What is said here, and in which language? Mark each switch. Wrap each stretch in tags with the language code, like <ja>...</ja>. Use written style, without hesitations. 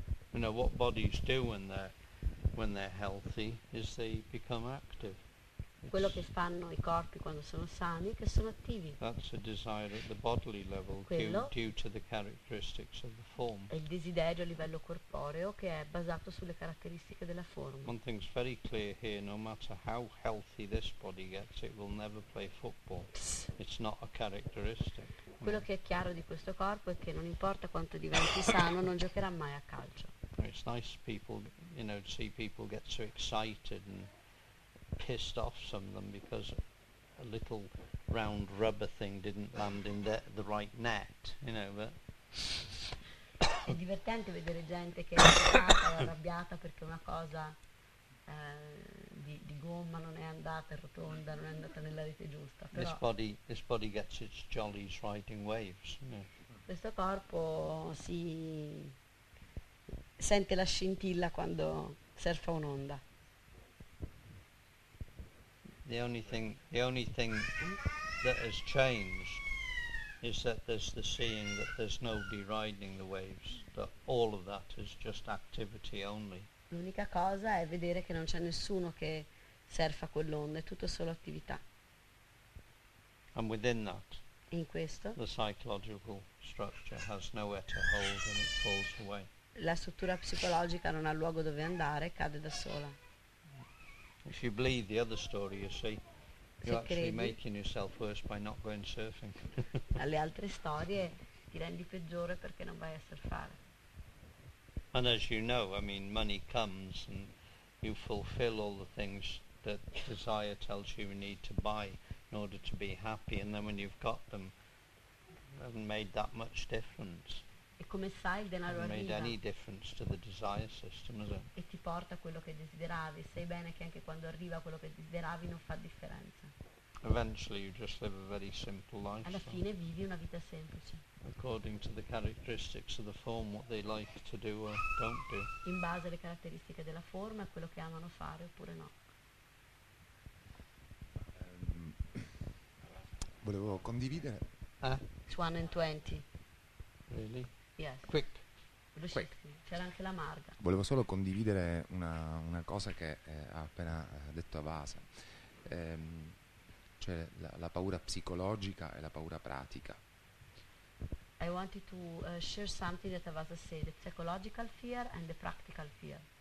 <en>You know what bodies do when they're healthy is they become active.</en> <it>Quello che fanno i corpi quando sono sani, che sono attivi.</it> <en>That's a desire at the bodily level due to the characteristics of the form.</en> <it>È il desiderio a livello corporeo che è basato sulle caratteristiche della forma.</it> <en>One thing's very clear here, no matter how healthy this body gets, it will never play football. It's not a characteristic.</en> <it>Quello che è chiaro di questo corpo è che non importa quanto diventi sano, non giocherà mai a calcio.</it> <en>It's nice people, you know, to see people get so excited and pissed off some of them because a little round rubber thing didn't land in the right net, you know, but</en> <it>è divertente vedere gente che è stata arrabbiata perché una cosa di gomma non è andata, è rotonda, non è andata nella rete giusta. Però</it> <en>this body gets its jollies riding waves,</en> <it>Questo corpo si sente la scintilla quando surfa un'onda.</it> <en>The only thing that has changed is that there's the seeing that there's nobody riding the waves, that all of that is just activity only.</en> <it>L'unica cosa è vedere che non c'è nessuno che surfa quell'onda, è tutto solo attività.</it> <en>And within that,</en> <it>in questo,</it> <en>the psychological structure has nowhere to hold and it falls away.</en> <it>La struttura psicologica non ha luogo dove andare, cade da sola.</it> <en>If you believe the other story, you see, you're actually making yourself worse by not going surfing.</en> <it>Alle altre storie ti rendi peggiore perché non vai a surfare.</it> <en>And as you know, I mean, money comes and you fulfill all the things that desire tells you you need to buy in order to be happy, and then when you've got them, it hasn't made that much difference.</en> <it>E come sai il denaro arriva?</it> <en>Made any difference to the desire system, is it?</en> <it>E ti porta quello che desideravi. Sai bene che anche quando arriva quello che desideravi non fa differenza.</it> <en>Eventually you just live a very simple life.</en> <it>Alla fine vivi una vita semplice.</it> <en>According to the characteristics of the form, what they like to do or don't do.</en> <it>In base alle caratteristiche della forma, quello che amano fare oppure no. Volevo condividere.</it> <en>It's 1:20. Really? Yes. Quick. Quick.</en> <it>C'era anche la Marga. Volevo solo condividere una cosa che ha appena detto Avasa, cioè la paura psicologica e la paura pratica.</it> <en>I wanted to share something that Avasa said, the psychological fear and the practical fear.</en>